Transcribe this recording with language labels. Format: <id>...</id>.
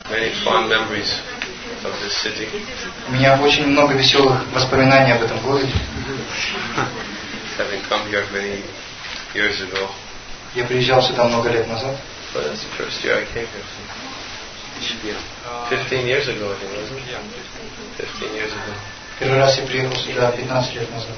<en>many fond memories of this city.</en> <ru>У меня очень много веселых воспоминаний об этом городе.</ru> <en>Having come here many years ago.</en> <ru>Я приезжал сюда много лет назад.</ru> <en>But that's the first year I came here. 15 years ago, I think, wasn't it? 15 years ago.</en> <ru>Первый раз я приехал сюда 15 лет назад.</ru>